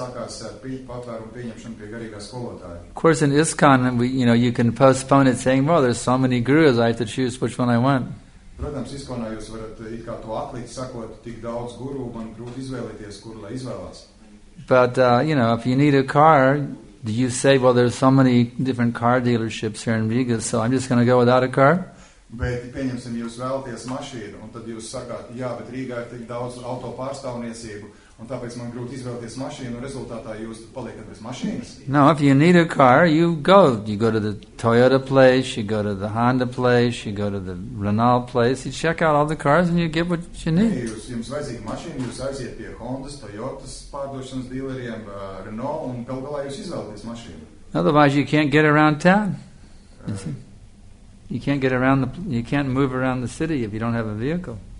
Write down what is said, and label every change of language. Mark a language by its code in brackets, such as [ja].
[en] Of course, in ISKCON, you can postpone it saying, well, there's so many gurus, I have to choose which one I want. [lv] Protams, ISKCON, jūs varat it kā to atlikt, sakot, tik daudz guru, man grūti izvēlēties, kur lai izvēlās. [en] But, if you need a car, do you say, well, there's so many different car dealerships here in Riga, so I'm just going to go without a car? [lv] Bet, pieņemsim, jūs vēlaties mašīnu, un tad jūs sakāt, jā, bet Rīgā ir tik daudz auto pārstāvniecību, un tāpēc man grūti izvēlties mašīnu, un rezultātā jūs paliekat bez mašīnas. [en] No, if you need a car, you go. You go to the Toyota place, you go to the Honda place, you go to the Renault place, you check out all the cars, and you get what you need. [lv] Nē, jums vajadzīga mašīna, jūs aiziet pie Hondas, Toyotas pārdošanas dīleriem, Renault, un gal galā jūs izvēlaties mašīnu. [en] Otherwise, you can't get around town. You can't get around you can't move around the city if you don't have a vehicle.